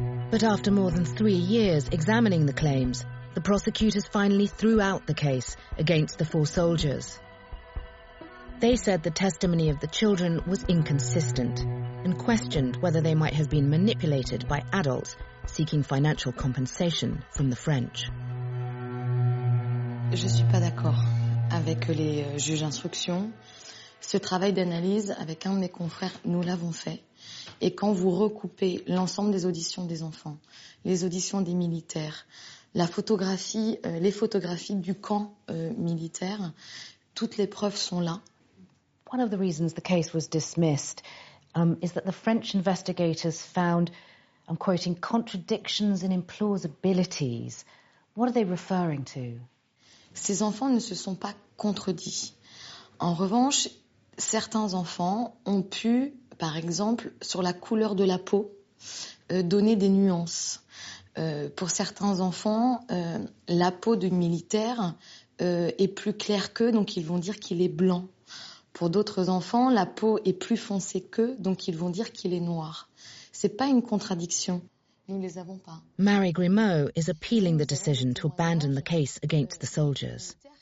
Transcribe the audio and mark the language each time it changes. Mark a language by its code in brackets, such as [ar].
[en] But after more than 3 years examining the claims, the prosecutors finally threw out the case against the four soldiers. They said the testimony of the children was inconsistent and questioned whether they might have been manipulated by adults seeking financial compensation from the French. [fr] Je ne suis pas d'accord avec les juges d'instruction. Ce travail d'analyse avec un de mes confrères, nous l'avons fait. Et quand vous recoupez l'ensemble des auditions des enfants, les auditions des militaires, la photographie, les photographies du camp militaire, Toutes les preuves sont là. [en] One of the reasons the case was dismissed is that the French investigators found, I'm quoting, contradictions and implausibilities. What are they referring to? [fr] Ces enfants ne se sont pas contredits. En revanche, certains enfants ont pu, par exemple, sur la couleur de la peau, donner des nuances. Pour certains enfants, la peau d'une militaire est plus claire qu'eux, donc ils vont dire qu'il est blanc. Pour d'autres enfants, la peau est plus foncée qu'eux, donc ils vont dire qu'il est noir. C'est pas une contradiction. Nous les avons pas. [en] Marie Grimaud is appealing the decision to abandon the case against the soldiers.